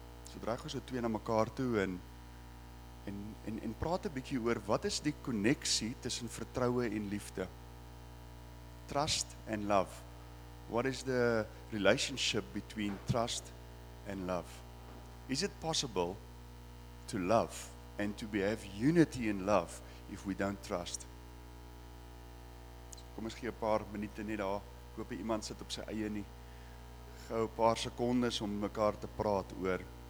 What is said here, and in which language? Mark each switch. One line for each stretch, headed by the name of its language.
Afrikaans: So draag ons so twee na mekaar toe en praat 'n bietjie oor wat is die koneksie tussen vertroue en liefde?
English: Trust and love. What is the relationship between trust and love? Is it possible to love and to have unity in love if we don't trust?
Afrikaans: Kom ons gee 'n paar minute net daar. Ek hoop iemand sit op sy eie nie. Gou 'n paar sekondes om mekaar te praat oor.